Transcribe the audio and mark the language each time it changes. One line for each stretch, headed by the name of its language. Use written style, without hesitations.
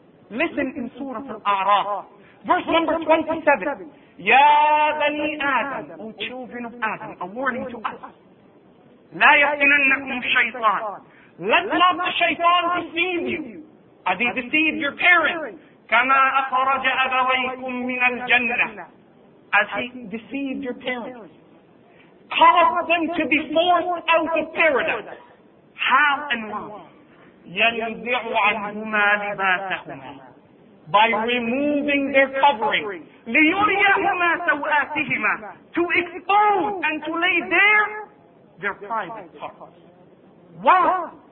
English: Listen in Surah Al-A'raf, verse number 27.
Arabic: Ya bani Adam,
English: O children of Adam, a warning to us.
Arabic: لا يفتننكم الشيطان.
English: Let not the shaitan deceive you. As he deceived your parents.
Arabic: كما أخرج أبويكم من الجنة.
English: As he deceived your parents. Caused them to be forced out of paradise. How and why?
Arabic: ينزع عنهما لباسهما.
English: By removing their covering.
Arabic: لِيُرِيَهُمَا سَوْآتِهِمَا
English: To expose and to lay bare their private parts. Why?